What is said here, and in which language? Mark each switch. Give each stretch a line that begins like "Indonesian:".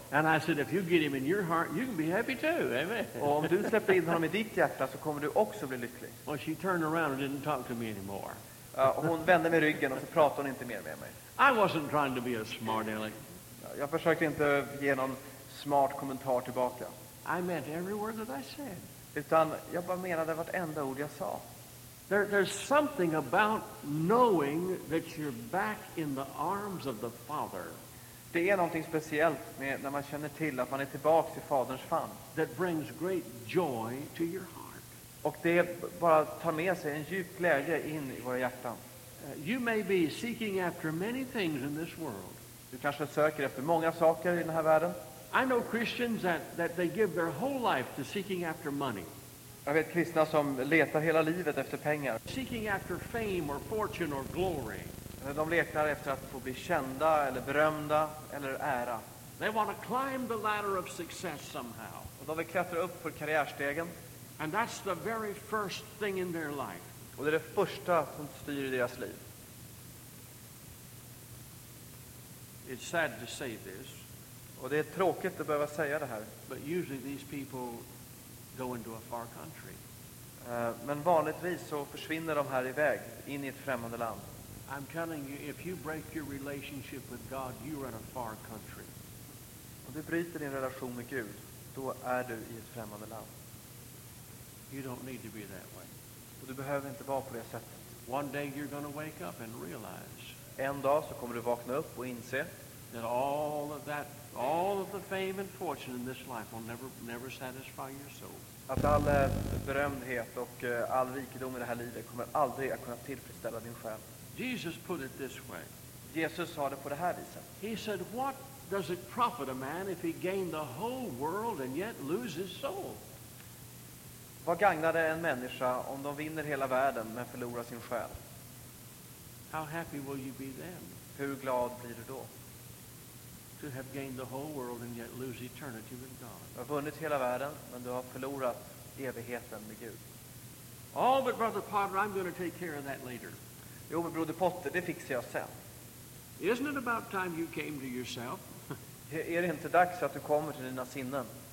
English: And I said, "If you get him in your heart, you can be happy too." Amen.
Swedish: Och om du släpper in honom i ditt hjärta så kommer du också bli lycklig.
English: Well, she turned around and didn't talk to me anymore.
Swedish: Hon vände mig ryggen och så pratade hon inte mer med mig.
English: I wasn't trying to be a smart aleck.
Swedish: Jag försökte inte ge någon smart kommentar tillbaka.
English: I meant every word that I said.
Swedish: Utan jag bara menade vartenda ord jag sa.
English: There's something about knowing that you're back in the arms of the Father.
Swedish: Det är någonting speciellt med när man känner till att man är tillbaka i Faderns famn.
English: That brings great joy to your heart.
Swedish: Och det bara tar med sig en djup glädje in i våra hjärtan.
English: You may be seeking after many things in this world.
Swedish: Du kanske söker efter många saker i den här världen.
English: I know Christians that they give their whole life to seeking after money.
Swedish: Jag vet kristna som letar hela livet efter pengar.
English: Seeking after fame or fortune or glory.
Swedish: De letar efter att få bli kända eller berömda eller ära.
English: They want to climb the ladder of success somehow.
Swedish: Och de vill klättra upp för karriärstegen.
English: And that's the very first thing in their life.
Swedish: Och det är det första som styr deras liv.
English: It's sad to say this.
Swedish: Och det är tråkigt att behöva säga det här.
English: But usually these people go into a far country.
Swedish: Men vanligtvis så försvinner de här iväg in i ett främmande land.
English: I'm telling you, if you break your relationship with God, you're in a far country.
Swedish: Om du bryter din relation med Gud, då är du i ett främmande land.
English: You don't need to be that way.
Swedish: Och du behöver inte vara på det sättet.
English: One day you're going to wake up and realize.
Swedish: En dag så kommer du vakna upp och inse
English: that all of the fame and fortune in this life will never satisfy your soul.
Swedish: Att all berömdhet och all rikedom i det här livet kommer aldrig att kunna tillfredsställa din själ.
English: Jesus put it this way.
Swedish: Jesus sa det på det här viset.
English: He said, "What does it profit a man if he gain the whole world and yet lose his soul?"
Swedish: Vad gagnar det en människa om de vinner hela världen men förlorar sin själ?
English: How happy will you be then?
Swedish: Hur glad blir du då?
English: To have gained the whole world and yet lose eternity with God.
Swedish: Du har vunnit hela världen, men du har förlorat evigheten med Gud.
English: Oh, but Brother Potter, I'm going to take care of that later.
Swedish: Jo, men Broder Potter, det fixar jag sen.
English: Isn't it about time you came to yourself?
Swedish: Är det inte dags att du kommer till dina sinnen?